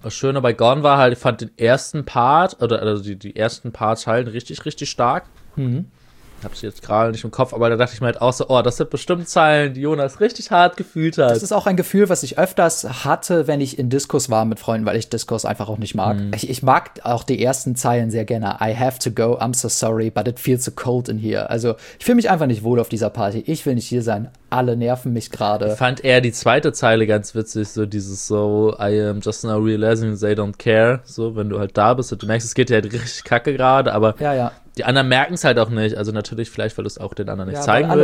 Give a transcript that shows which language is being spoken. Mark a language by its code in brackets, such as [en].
[de] Das Schöne bei Gone war halt, ich fand den ersten Part, oder also die ersten paar Zeilen richtig, richtig stark. Mhm. Hab sie jetzt gerade nicht im Kopf, aber da dachte ich mir halt auch so, oh, das sind bestimmt Zeilen, die Jonas richtig hart gefühlt hat. Das ist auch ein Gefühl, was ich öfters hatte, wenn ich in Discos war mit Freunden, weil ich Discos einfach auch nicht mag. Ich mag auch die ersten Zeilen sehr gerne. [en] I have to go, I'm so sorry, but it feels so cold in here. [de] Also, ich fühle mich einfach nicht wohl auf dieser Party. Ich will nicht hier sein. Alle nerven mich gerade. Ich fand eher die zweite Zeile ganz witzig, so dieses so, [en] I am just now realizing they don't care. [de] So, wenn du halt da bist und du merkst, es geht dir halt richtig kacke gerade, aber ja. Die anderen merken es halt auch nicht. Also natürlich, vielleicht, weil du es auch den anderen nicht zeigen willst.